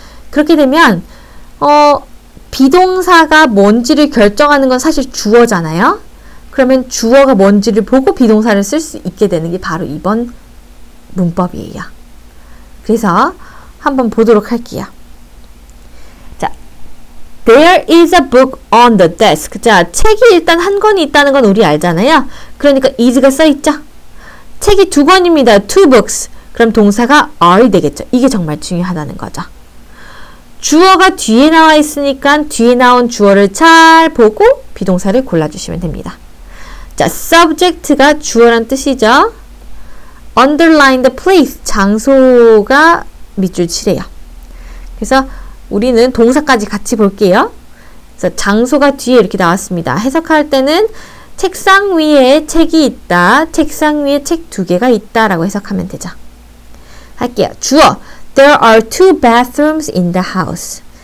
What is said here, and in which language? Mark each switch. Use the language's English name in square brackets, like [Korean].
[Korean] 그렇게 되면 비동사가 뭔지를 결정하는 건 사실 주어잖아요. 그러면 주어가 뭔지를 보고 비동사를 쓸 수 있게 되는 게 바로 이번 문법이에요. 그래서 한번 보도록 할게요. [English] 자, There is a book on the desk. [Korean] 자, 책이 일단 한 권이 있다는 건 우리 알잖아요. 그러니까 is가 써있죠. 책이 두 권입니다. Two books. 그럼 동사가 are 되겠죠. 이게 정말 중요하다는 거죠. 주어가 뒤에 나와 있으니까 뒤에 나온 주어를 잘 보고 비동사를 골라주시면 됩니다. 자, subject가 주어란 뜻이죠. [English] underline the place, [Korean] 장소가 밑줄 칠해요. 그래서 우리는 동사까지 같이 볼게요. 그래서 장소가 뒤에 이렇게 나왔습니다. 해석할 때는 책상 위에 책이 있다, 책상 위에 책 두 개가 있다 라고 해석하면 되죠. 할게요. [English] 주어, there are two bathrooms in the house.